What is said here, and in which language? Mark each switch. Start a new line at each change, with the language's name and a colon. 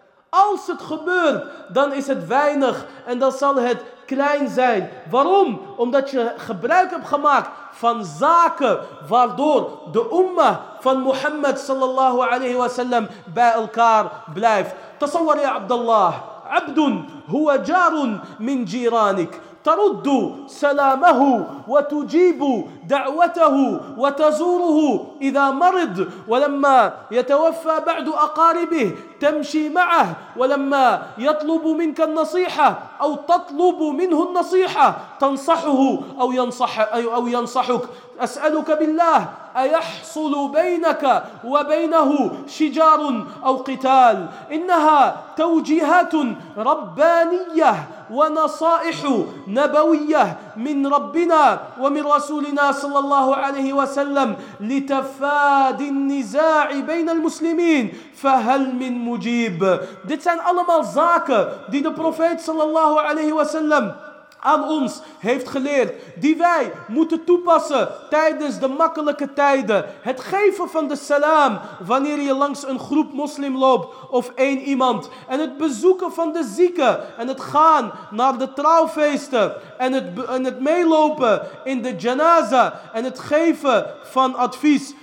Dutch: Als het gebeurt, dan is het weinig en dan zal het klein zijn. Waarom? Omdat je gebruik hebt gemaakt van zaken waardoor de umma van Mohammed sallallahu alayhi wa sallam bij elkaar blijft.
Arabic: Tasawwar ya Abdullah, abdun huwa jarun min jiranik. ترد سلامه وتجيب دعوته وتزوره إذا مرض، ولما يتوفى بعد أقاربه تمشي معه، ولما يطلب منك النصيحة أو تطلب منه النصيحة تنصحه أو ينصحك. أسألك بالله، أيحصل بينك وبينه شجار أو قتال؟ إنها توجيهات ربانية ونصائح نبوية من ربنا ومن رسولنا صلى الله عليه وسلم لتفادي النزاع بين المسلمين، فهل من مجيب؟
Dutch: Dit zijn allemaal zaken die de profeet sallallahu alayhi wa sallam aan ons heeft geleerd, die wij moeten toepassen tijdens de makkelijke tijden. Het geven van de salaam wanneer je langs een groep moslim loopt of één iemand. En het bezoeken van de zieken en het gaan naar de trouwfeesten. En het meelopen in de janaza en het geven van advies.